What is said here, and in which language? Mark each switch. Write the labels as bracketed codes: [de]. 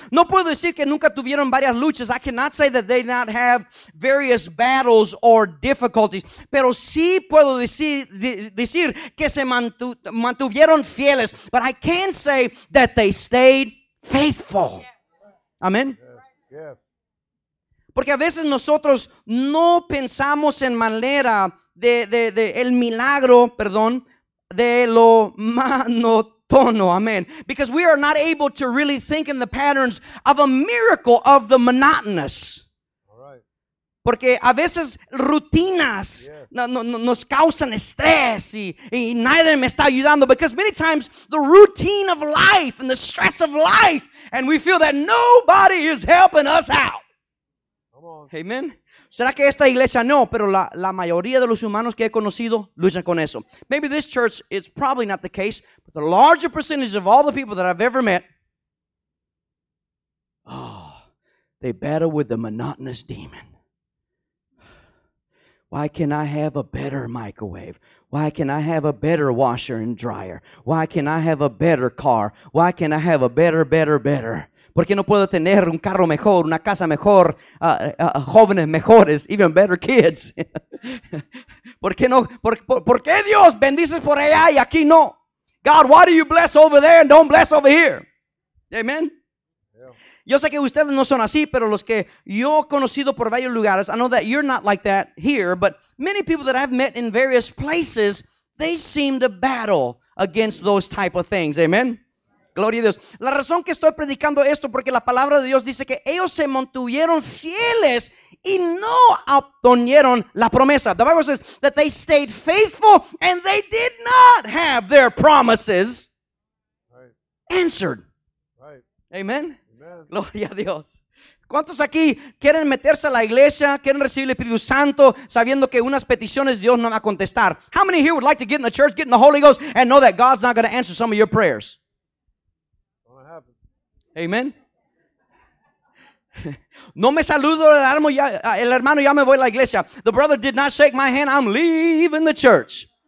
[es] No puedo decir que nunca tuvieron varias luchas. [en] I cannot say that they not have various battles or difficulties. [es] Pero sí puedo decir que se mantuvieron fieles. [en] But I can say that they stayed faithful. Yeah. Amen. Yeah. [es] Porque a veces nosotros no pensamos en manera de el milagro, perdón, de lo monótono. Amen. [en] Because we are not able to really think in the patterns of a miracle of the monotonous. All right. [es] Porque a veces rutinas nos causan estrés y nadie me está ayudando. [en] Because many times the routine of life and the stress of life, and we feel that nobody is helping us out. Come on. [es] Amen. ¿Será que esta iglesia no? Pero la mayoría de los humanos que he conocido luchan con eso. [en] Maybe this church, it's probably not the case, but the larger percentage of all the people that I've ever met, they battle with the monotonous demon. Why can I have a better microwave? Why can I have a better washer and dryer? Why can I have a better car? Why can I have a better? [es] ¿Por qué no puedo tener un carro mejor, una casa mejor, jóvenes mejores, [en] even better kids? [es] ¿Por qué no? ¿Por qué Dios bendices por allá y aquí no? [en] God, why do you bless over there and don't bless over here? Amen. Yeah. [es] Yo sé que ustedes no son así, pero los que yo he conocido por varios lugares, [en] I know that you're not like that here, but many people that I've met in various places, they seem to battle against those type of things. Amen. [es] Gloria a Dios. La razón que estoy predicando esto porque la palabra de Dios dice que ellos se mantuvieron fieles y no obtuvieron la promesa. [en] The Bible says that they stayed faithful and they did not have their promises answered. Right. Amen. Amen. [es] Gloria a Dios. ¿Cuántos aquí quieren meterse a la iglesia, quieren recibir el Espíritu Santo sabiendo que unas peticiones Dios no va a contestar? [en] How many here would like to get in the church, get in the Holy Ghost and know that God's not going to answer some of your prayers? Amen. [es] No me saludo el hermano, ya me voy a la iglesia. [en] The brother did not shake my hand, I'm leaving the church.